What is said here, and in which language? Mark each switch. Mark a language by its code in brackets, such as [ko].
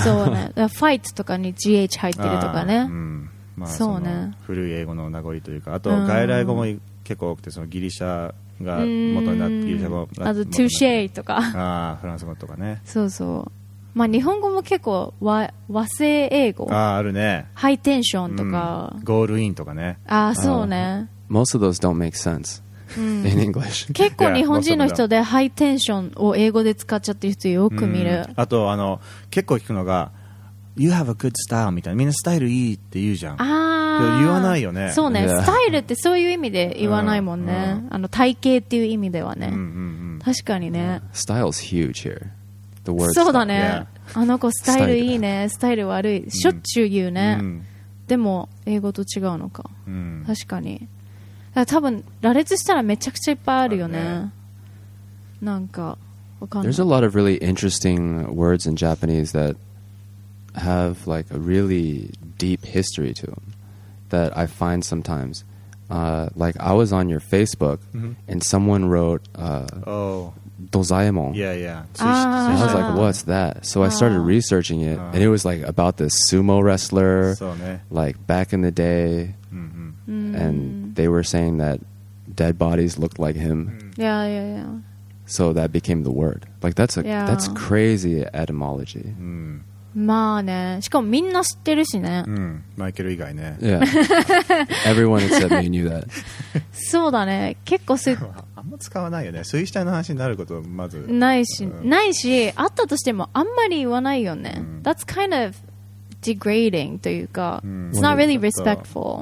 [ja] そうねだからファイトとかに GH 入ってるとかね、そうね、古い英語の名残というか、あと外来語も結構多くて、そのギリシャが元になってギリシャ語、あとトゥシェイとかフランス語とかね、そうそう、まあ、日本語も結構 和製英語、あるね、ハイテンションとか、ゴールインとかね、そうね、 [en] Most of those don't make sense in English. [ja] 結構日本人の人でハイテンションを英語で使っちゃってる人よく見る。あと結構聞くのが [en] You have a good style [ja] みたいな、みんなスタイルいいって言うじゃん。言わないよね。そうね、スタイルってそういう意味で言わないもんね、体型っていう意味ではね、確かにね、 [en] スタイル is huge here [ja] そうだね、あの子スタイルいいね、スタイル悪い、しょっちゅう言うね、でも英語と違うのか、確かに、だから多分羅列したらめちゃくちゃいっぱいあるよね、なんか分かんない。 [en] There's a lot of really interesting words in Japanese that have like a really deep history to them that I find sometimes、like I was on your Facebook、and someone wrote Dozaemon. Yeah, yeah. I was like, what's that? So I started researching it, and it was like about this sumo wrestler, like back in the day, and they were saying that dead bodies looked like him. Yeah, yeah, yeah. So that became the word. Like, that's crazy etymology. [ja] まあね、しかもみんな知ってるしね、うん、マイケル以外ね、 [en] yeah. Everyone except me knew that. [ja] そうだね、結構すあんま使わないよね、水死体の話になることまずないし、うん、ないし、あったとしてもあんまり言わないよね、うん、 [en] That's kind of degrading [ja] というか、うん、 [en] It's not really respectful.